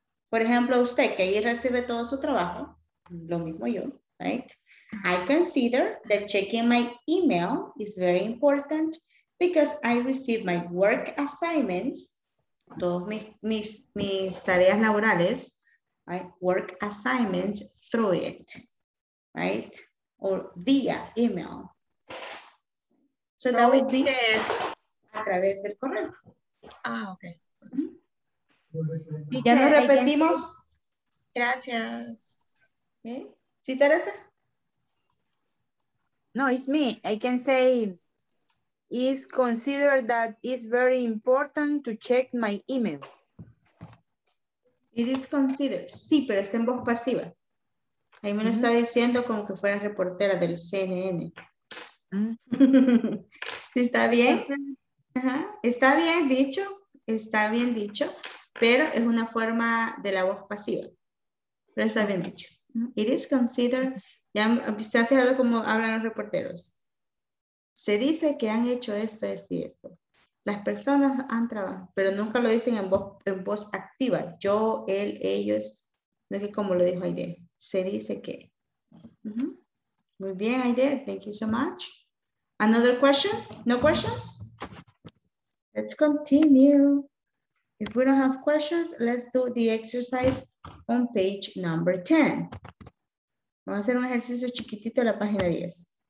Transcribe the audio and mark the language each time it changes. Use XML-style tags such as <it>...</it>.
<es>Por ejemplo, usted que ahí recibe todo su trabajo, lo mismo yo, right?</es> <en>I consider that checking my email is very important because I receive my work assignments,</en> <es>todos mis tareas laborales,</es> <en>right? Work assignments through it, right? Or via email. So that would be</en> <es>a través del correo. Ah, okay. Ya nos repetimos. Gracias. ¿Sí, Teresa?</es> <en>No, it's me. I can say it's considered that it's very important to check my email. It is considered.</en> <es>Sí, pero está en voz pasiva. Ahí me lo estaba diciendo como que fuera reportera del CNN. ¿Está bien? ¿Está bien dicho? ¿Está bien dicho? Pero es una forma de la voz pasiva. Pero está bien dicho.</es> <en>It is considered.</en> <es>Ya se ha fijado cómo hablan los reporteros. Se dice que han hecho esto, esto y esto. Las personas han trabajado, pero nunca lo dicen en voz activa. Yo, él, ellos. No es que como lo dijo Aide. Se dice que. Muy bien, Aide.</es> <en>Thank you so much. Another question? No questions? Let's continue. If we don't have questions, let's do the exercise on page number 10.</en> <es>Vamos a hacer un ejercicio chiquitito en la página 10.</es>